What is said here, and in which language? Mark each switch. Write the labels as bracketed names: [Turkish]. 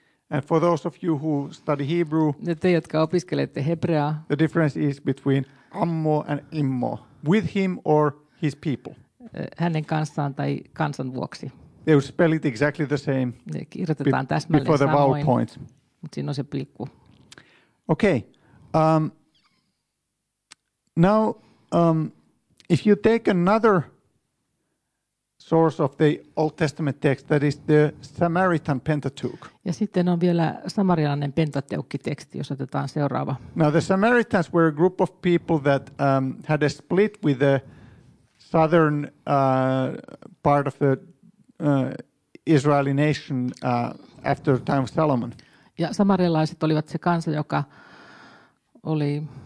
[English] And for those of you who study Hebrew, [Finnish] te, jotka opiskelette hebreaa, [English] the difference is between ammo and immo, with him or his people. [Finnish] Hänen kanssaan tai kansan vuoksi. [English] They would spell it exactly the same. [Finnish] Ne kirjoitetaan täsmälleen [English] before the [Finnish] samoin, [English] vowel point. [Finnish] Mutta siinä on se pilkku. [English] Okay. Now if you take another source of the Old Testament text, that is the Samaritan Pentateuch. [Finnish] Ja sitten on vielä samarialainen Pentateukki-teksti, jos otetaan seuraava. [English] Now the Samaritans were a group of people that had a split with the southern part of the Israeli nation after the time of Solomon. [Finnish] Ja samarialaiset olivat se kansa, joka oli